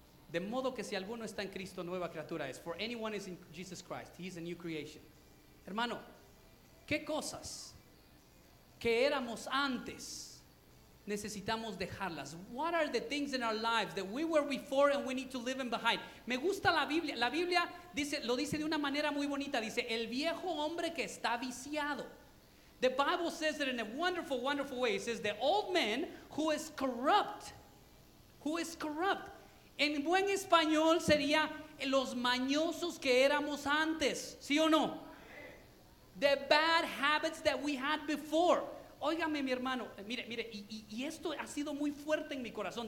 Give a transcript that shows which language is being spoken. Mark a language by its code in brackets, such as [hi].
[es] De modo que si alguno está en Cristo, nueva criatura es. [en] For anyone is in Jesus Christ, he is a new creation. [es] Hermano, ¿qué cosas que éramos antes necesitamos dejarlas? [en] What are the things in our lives that we were before and we need to leave them behind? [es] Me gusta la Biblia. La Biblia dice, lo dice de una manera muy bonita. Dice, el viejo hombre que está viciado. [en] The Bible says that in a wonderful, wonderful way. It says, the old man who is corrupt. Who is corrupt. [es] En buen español sería los mañosos que éramos antes, ¿sí o no? [en] The bad habits that we had before. [es] Óigame, mi hermano, mire, y esto ha sido muy fuerte en mi corazón.